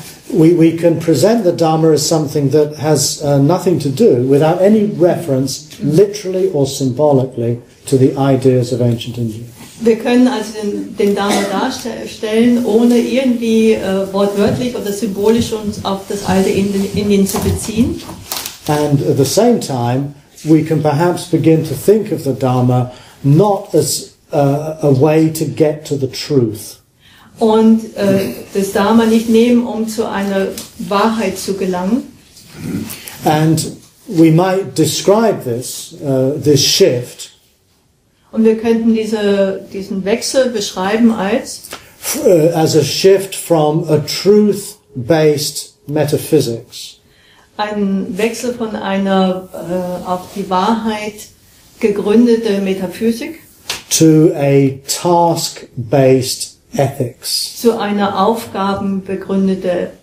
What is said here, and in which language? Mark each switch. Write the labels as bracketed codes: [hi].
[en] We can present the Dharma as something that has nothing to do, without any reference, literally or symbolically, to the ideas of ancient India. [de] Wir können also den Dharma darstellen, ohne irgendwie wortwörtlich oder symbolisch uns auf das alte Indien zu beziehen. [en] And at the same time, we can perhaps begin to think of the Dharma not as a way to get to the truth. [de] Und das Dharma nicht nehmen, um zu einer Wahrheit zu gelangen. [en] And we might describe this, this shift. [de] Und wir könnten diesen Wechsel beschreiben als [en] as a shift from a truth-based metaphysics. [de] Ein Wechsel von einer auf die Wahrheit gegründete Metaphysik [en] to a task-based ethics. [de] Zu einer aufgabenbegründete